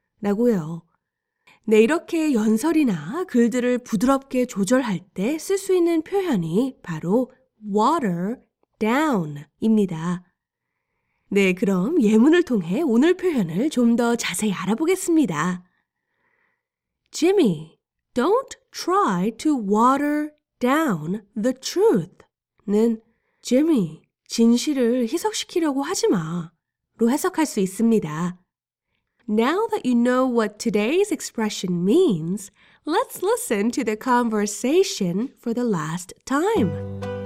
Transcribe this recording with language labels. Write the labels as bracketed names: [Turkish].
[Korean] 라고요. 네, 이렇게 연설이나 글들을 부드럽게 조절할 때 쓸 수 있는 표현이 바로 water down입니다. 네, 그럼 예문을 통해 오늘 표현을 좀 더 자세히 알아보겠습니다. [English] Jimmy, don't try to water down the truth는 [Korean] Jimmy, 진실을 희석시키려고 하지 마로 해석할 수 있습니다. [English] Now that you know what today's expression means, let's listen to the conversation for the last time.